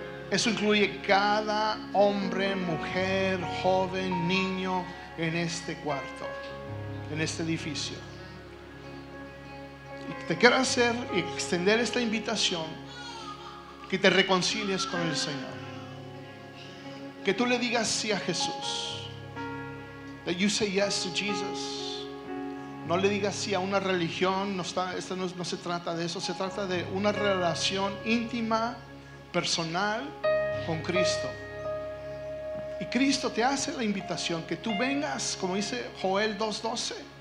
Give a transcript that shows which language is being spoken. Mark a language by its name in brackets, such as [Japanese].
[Spanish] Eso incluye cada hombre, mujer, joven, niño en este cuarto, en este edificio. Y te quiero hacer y extender esta invitación, que te reconcilies con el Señor, que tú le digas sí a Jesús. [English] That you say yes to Jesus. [Spanish] No le digas sí a una religión, no se trata de eso. Se trata de una relación íntima, personal, con Cristo. Y Cristo te hace la invitación que tú vengas, como dice Joel 2:12.